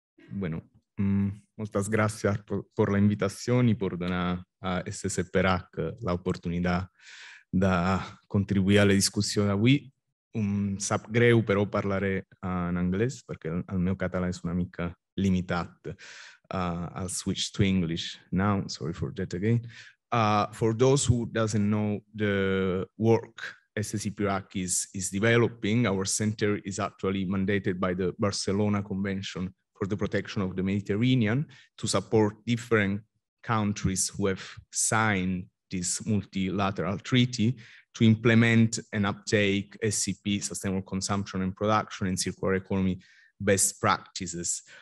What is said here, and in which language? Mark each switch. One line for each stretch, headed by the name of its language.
Spanish: Bueno, muchas gracias por la invitación y por donar a SSPRAC la oportunidad de contribuir a la discusión de hoy.
Catalan: Sap greu, però parlaré en anglès perquè el meu català és una mica limitat.
English: I'll switch to English now. Sorry for that again. For those who doesn't know the work SSPRAC is developing, our center is actually mandated by the Barcelona Convention for the Protection of the Mediterranean to support different countries who have signed this multilateral treaty to implement and uptake SCP, sustainable consumption and production, and circular economy best practices.